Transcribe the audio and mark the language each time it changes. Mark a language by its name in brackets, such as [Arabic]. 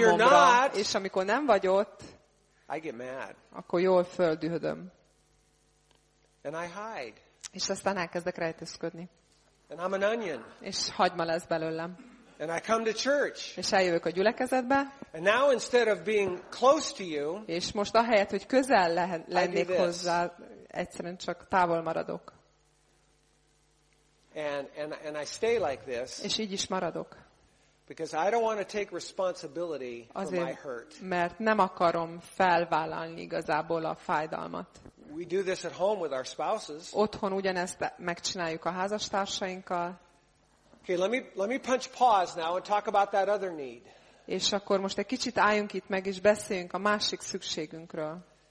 [Hungarian] számomra. [English] Not, [Hungarian] és amikor nem vagy ott, [English] I get mad. [Hungarian] Akkor jól földühödöm. [English] And I hide. [Hungarian] És aztán elkezdek rejtőzködni. [English] And I'm an onion. [Hungarian] És hagyma lesz belőlem. [English] And I come to church. [Hungarian] És eljövök a gyülekezetbe. [English] And now instead of being close to you, [Hungarian] és most ahelyett, hogy közel lennék hozzá, egyszerűen csak távol maradok. [English] And I stay like this. [Hungarian] És így is maradok. [English] Because I don't want to take responsibility [Hungarian] azért, [English] for my hurt. [Hungarian] Mert nem akarom felvállalni igazából a fájdalmat. [English] We do this at home with our spouses. [Hungarian] Otthon ugyanezt megcsináljuk a házastársainkkal. [English] Okay, let me punch pause now and talk about that other need. [Hungarian] És akkor most egy kicsit álljunk itt meg, és beszéljünk a másik szükségünkről.